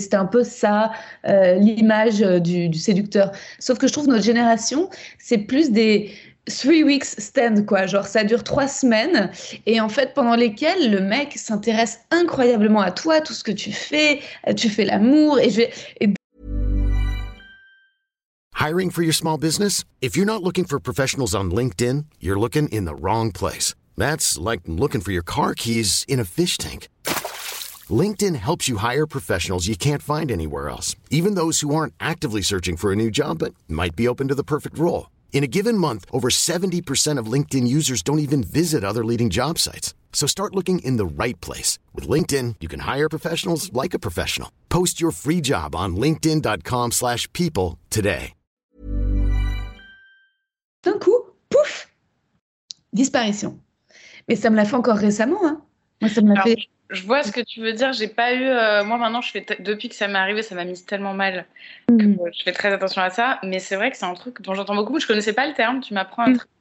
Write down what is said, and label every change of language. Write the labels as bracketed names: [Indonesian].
[French] C'était un peu ça, l'image du séducteur. Sauf que je trouve notre génération, c'est plus des [English] 3 weeks stand, [French] quoi. Genre, ça dure 3 semaines. Et en fait, pendant lesquelles le mec s'intéresse incroyablement à toi, tout ce que tu fais l'amour. [English] Hiring for your small business? If you're not looking for professionals on LinkedIn, you're looking in the wrong place. That's like looking for your car keys in a fish tank. LinkedIn helps you hire professionals you can't find anywhere else, even those who aren't actively searching for a new job but might be open to the perfect role. In a given month, over 70% of LinkedIn users don't even visit other leading job sites. So start looking in the right place. With LinkedIn, you can hire professionals like a professional. Post your free job on linkedin.com/people today. [French] D'un coup, pouf, disparition. Mais ça me l'a fait encore récemment, hein. Moi, ça m'a fait... Je vois ce que tu veux dire. J'ai pas eu. Moi, maintenant, je fais. Depuis que ça m'est arrivé, ça m'a mise tellement mal que je fais très attention à ça. Mais c'est vrai que c'est un truc dont j'entends beaucoup. Je connaissais pas le terme. Tu m'apprends un truc.